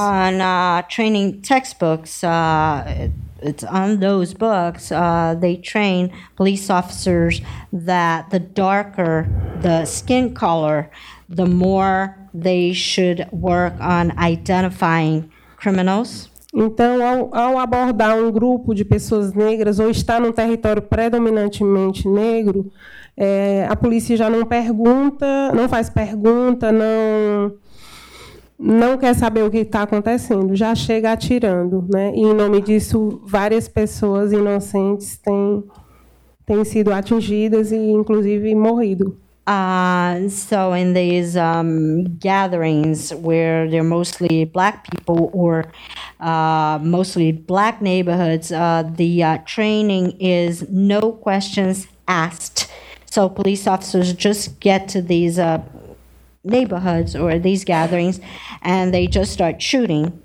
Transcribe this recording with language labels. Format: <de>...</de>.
<en>On training textbooks, it's on those books, they train police officers that the darker the skin color, the more they should work on identifying criminals.</en> <pt>Então, ao abordar um grupo de pessoas negras ou estar num território predominantemente negro, a polícia já não pergunta, não faz pergunta, não quer saber o que está acontecendo, já chega atirando, né? E em nome disso, várias pessoas inocentes têm sido atingidas e, inclusive, morrido.</pt> <en>So in these gatherings where they're mostly black people or mostly black neighborhoods, the training is no questions asked. So police officers just get to these neighborhoods or these gatherings and they just start shooting.</en>